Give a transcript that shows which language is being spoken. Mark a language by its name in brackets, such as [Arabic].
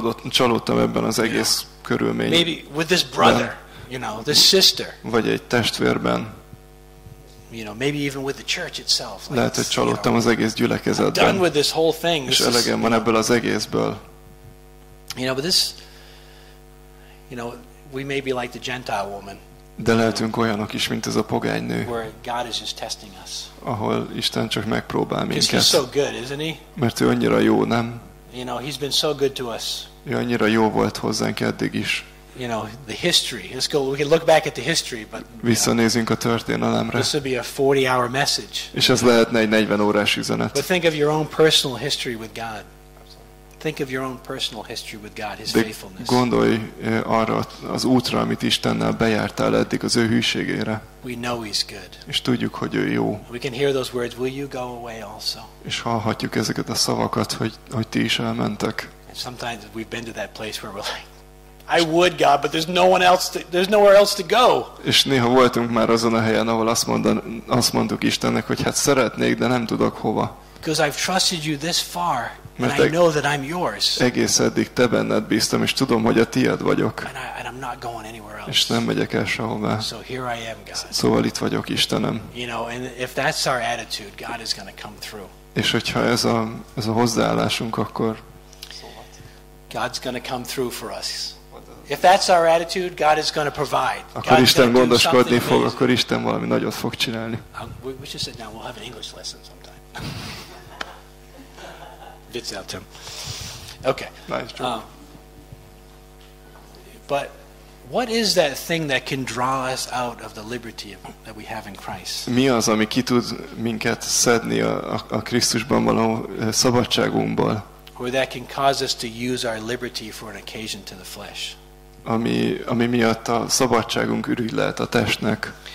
[Hungarian] Csalódtam ebben az egész körülményben. [English] Maybe with this brother, you know, this sister. [Hungarian] Vagy egy testvérben. [English] You know, maybe even with the church itself. [Hungarian] Lehet, hogy csalódtam az egész gyülekezetben. [English] Done with this whole thing. [Hungarian] És elegem van ebből az egészből. [English] You know, but this. You know, we may be like the Gentile woman. [Hungarian] De lehetünk olyanok is, mint ez a pogány nő. [English] Where God is just testing us. [Hungarian] Ahol Isten csak megpróbál minket. [English] He's so good, isn't he? [Hungarian] Mert ő annyira jó, nem? [English] You know, he's been so good to us. [Hungarian] Ő annyira jó volt hozzánk eddig is. [English] You know, the history. Let's go. We can look back at the history, but [Hungarian] visszanézünk a történelemre. [English] This would be a 40-hour message. [Hungarian] És ez lehetne egy 40 órás üzenet. [English] But think of your own personal history with God. Think of your own personal history with God, his faithfulness. [Hungarian] Gondolj arra az útra, amit Istennel bejártál eddig az ő hűségére. [English] We know he's good. [Hungarian] És tudjuk, hogy ő jó. [English] We can hear those words, will you go away also? [Hungarian] És hallhatjuk ezeket a szavakat, hogy ti is elmentek. [English] And sometimes we've been to that place where we're like, I would God, but there's nowhere else to go. [Hungarian] És néha voltunk már azon a helyen, ahol azt mondtuk Istennek, hogy hát szeretnék, de nem tudok hova. [English] Because I've trusted you this far. And I know that I'm yours. [Hungarian] Egész eddig te benned bíztam, és tudom, hogy a tiéd vagyok. [English] And I'm not going anywhere else. [Hungarian] És nem megyek el sehová. [English] So here I am, God. [Hungarian] Szóval itt vagyok, Istenem. [English] You know, and if that's our attitude, God is going to come through. [Hungarian] És hogyha ez a hozzáállásunk, akkor [English] God's going to come through for us. If that's our attitude, God is going to provide. [Hungarian] Akkor Isten gondoskodni fog, akkor Isten valami nagyot fog csinálni. [English] We should sit down. We'll have an English lesson sometime. Bits out, Tim. Okay. Nice job. But what is that thing that can draw us out of the liberty that we have in Christ? [Hungarian] Mi az, ami ki tud minket szedni a Krisztusban való szabadságunkból? [English] Or that can cause us to use our liberty for an occasion to the flesh? [Hungarian] Ami miatt a szabadságunk ürügy lehet a testnek.